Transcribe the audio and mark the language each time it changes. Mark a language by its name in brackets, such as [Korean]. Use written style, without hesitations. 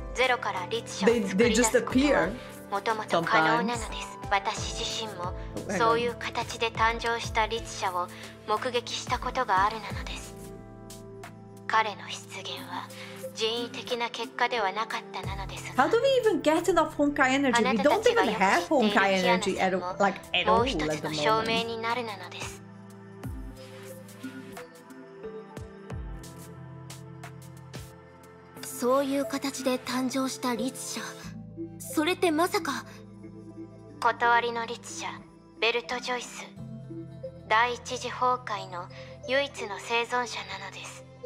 [Japanese] ゼロからリツションを作り出すことは、もともと可能なのです。私自身もそういう形で誕生したリツ社を目撃したことがあるなのです。彼の出現は人為的な結果ではなかったなのですが。 [English] How do we even get enough Honkai energy? We don't even have Honkai energy at all. Like at all. [Japanese] もう一つの証明になるなのです。そういう形で誕生したリツ社、それってまさか。断りの律者ベルト・ジョイス、第一次崩壊の唯一の生存者なのです。